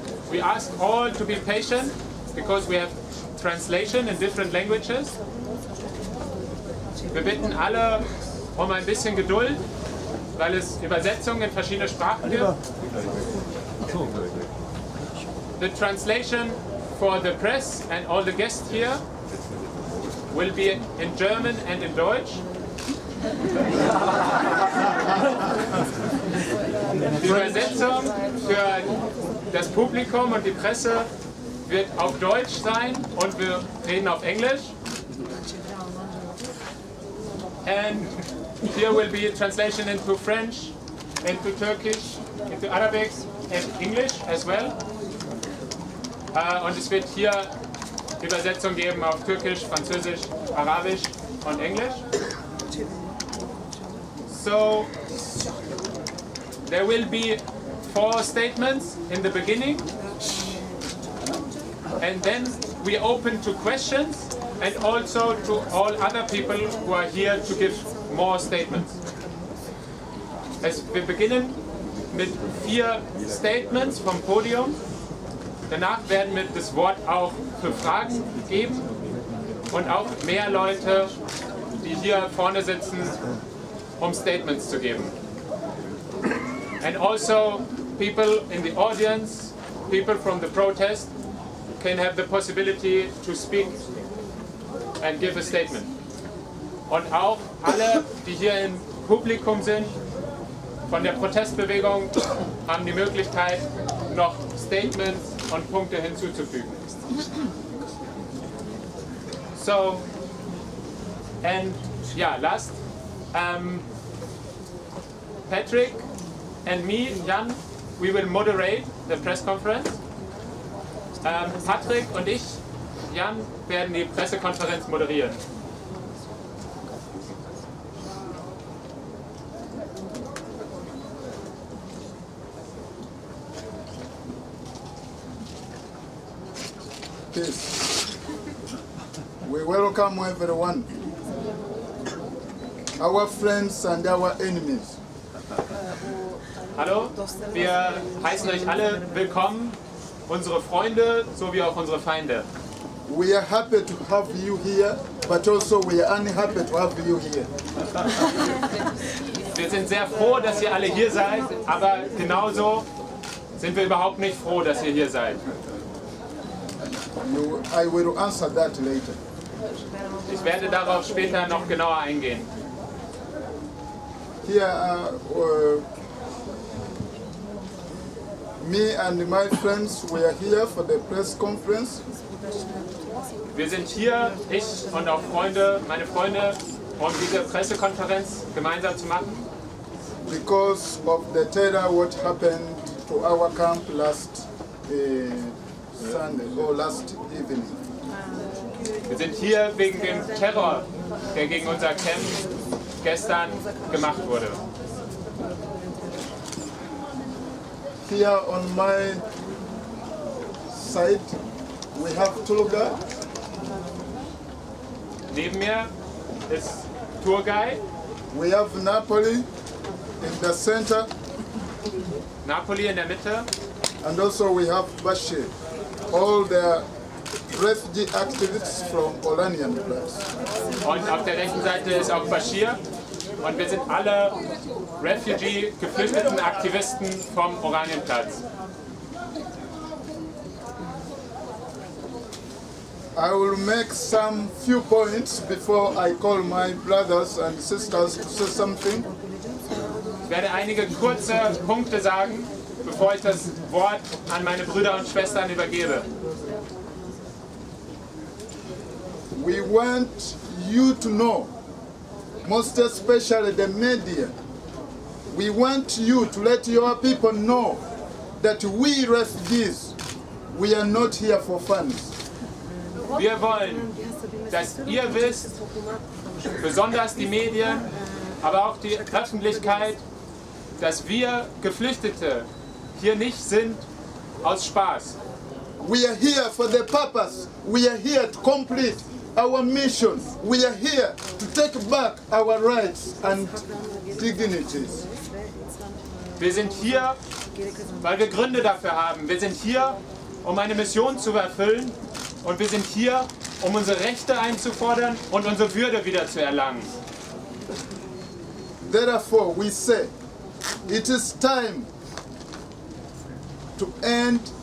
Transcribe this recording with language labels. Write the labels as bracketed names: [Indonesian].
[English] We ask all to be patient, because we have translation in different languages. [German] Wir bitten alle um ein bisschen Geduld, weil es Übersetzungen in verschiedene Sprachen gibt. [English] The translation for the press and all the guests here will be in German and in Deutsch. [German] Die Übersetzung für das Publikum und die Presse wird auf Deutsch sein und wir reden auf Englisch. [English] And here will be a translation into French, into Turkish, into Arabic and English as well. [German] Und es wird hier Übersetzung geben auf Türkisch, Französisch, Arabisch und Englisch. [English] So, there will be 4 statements in the beginning. And then we open to questions and also to all other people who are here to give more statements. [German] Wir beginnen mit 4 Statements vom Podium. Danach werden wir das Wort auch für Fragen geben und auch mehr Leute, die hier vorne sitzen, um Statements zu geben. [English] And also people in the audience, people from the protest, can have the possibility to speak and give a statement. [German] Und auch alle, die hier im Publikum sind, von der Protestbewegung, haben die Möglichkeit, noch Statements und Punkte hinzuzufügen. [English] So, and yeah, last, Patrick and me, Jan, we will moderate the press conference. [German] Patrick und ich, Jan, werden die Pressekonferenz moderieren. [English] Yes. We welcome everyone. Our friends and our enemies. [German] Hallo, wir heißen euch alle willkommen, unsere Freunde sowie auch unsere Feinde. [English] We are happy to have you here, but also we are unhappy to have you here. [German] Wir sind sehr froh, dass ihr alle hier seid, aber genauso sind wir überhaupt nicht froh, dass ihr hier seid. [English] I will answer that later. [German] Ich werde darauf später noch genauer eingehen. [English] Here, me and my friends, we are here for the press conference. [German] Wir sind hier, ich und auch Freunde, meine Freunde, um diese Pressekonferenz gemeinsam zu machen. [English] Because of the terror, what happened to our camp last Sunday or last evening. [German] Wir sind hier wegen dem Terror, der gegen unser Camp gestern gemacht wurde. [English] Here on my side, we have Tulga. [German] Neben mir ist Turgay. [English] We have Napoli in the center. [German] Napoli in der Mitte. [English] And also we have Bashir. All the refugee activists from Oranian place. [German] Und auf der rechten Seite ist auch Bashir. Und wir sind alle Refugee-geflüchteten Aktivisten vom Oranienplatz. [English] I will make some few points before I call my brothers and sisters to say something. [German] Ich werde einige kurze Punkte sagen, bevor ich das Wort an meine Brüder und Schwestern übergebe. [English] We want you to know, most especially the media, we want you to let your people know that we refugees, We are not here for fun. [German] Wir wollen, dass ihr wisst, besonders die Medien, aber auch die Öffentlichkeit, dass wir Geflüchtete hier nicht sind aus Spaß. [English] We are here for the purpose. We are here to complete our mission. We are here to take back our rights and dignities. [German] Wir sind hier, weil wir Gründe dafür haben. Wir sind hier, um eine Mission zu erfüllen. Und wir sind hier, um unsere Rechte einzufordern und unsere Würde wieder zu erlangen. [English] Therefore, we say, it is time to end.